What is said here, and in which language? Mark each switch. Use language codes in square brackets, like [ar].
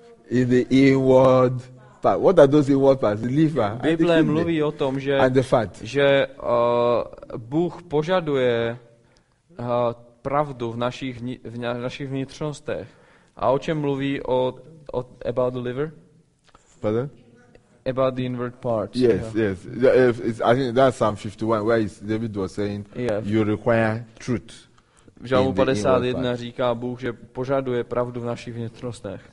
[en] In the inward part. What are those inward parts? The liver. [cs] Bible mluví o tom, že Bůh požaduje pravdu v našich vnitřnostech. A o čem mluví o [en] about the liver? [cs] Pardon? [en] About the inward parts. Yes. I think that's Psalm 51 where David was saying, yes, you require truth. [cs] V Žalmu 51 říká Bůh, že požaduje pravdu v našich vnitřnostech.